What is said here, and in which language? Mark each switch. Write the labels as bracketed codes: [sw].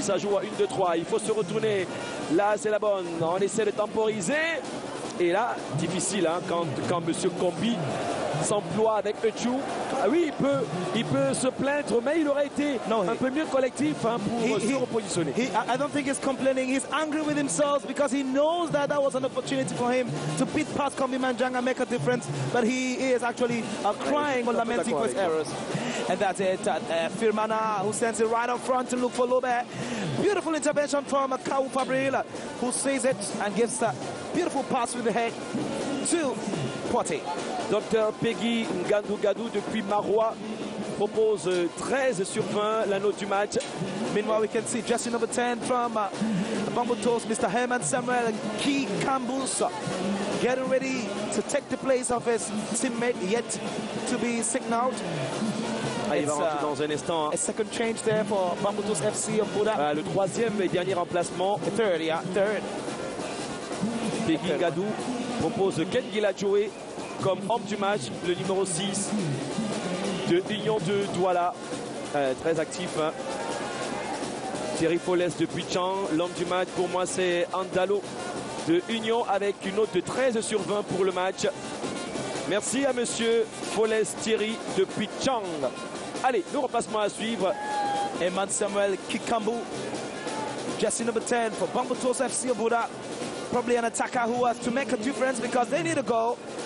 [fr] Ça joue à 1-2-3. Il faut se retourner. Là, c'est la bonne. On essaie de temporiser. Et là, difficile hein, quand M. Kombi s'emploie avec Echou. Ah oui, il peut se plaindre, mais il aurait été un peu mieux collectif hein, pour se repositionner. [en] I don't think he's complaining. He's angry with himself because he knows that was an opportunity for him to beat past Kombi Manjang and make a difference. But he is actually crying or lamenting for his errors. And that's it. Firmana, who sends it right up front to look for Lobe. Beautiful intervention from Kaou Fabriel, who sees it and gives a beautiful pass with the head to Poitiers. Dr. [fr] Peggy Ngandou-Gadou depuis Maroua propose 13 sur 20 la note du match. [en] Meanwhile, we can see jersey number 10 from Bambuto's Mr. Herman Samuel Kikambous getting ready to take the place of his teammate yet to be signaled. [fr] Il va rentrer dans un instant. [en] A second change there for Bambuto's FC of Buda. [fr] Le troisième et dernier remplacement. [en] Third. [fr] Peggy Gadou propose Ken Gilajoe comme homme du match, le numéro 6 de Union de Douala. Très actif. Hein. Thierry Follès de Puichang. L'homme du match pour moi c'est Andalo de Union avec une note de 13 sur 20 pour le match. Merci à monsieur Follès Thierry de Puichang. Allez, nous repassons à suivre. Eman Samuel Kikambu. [en] Jesse number 10 for Bambuto's FC Obuda. Probably an attacker who has to make a difference because they need a goal.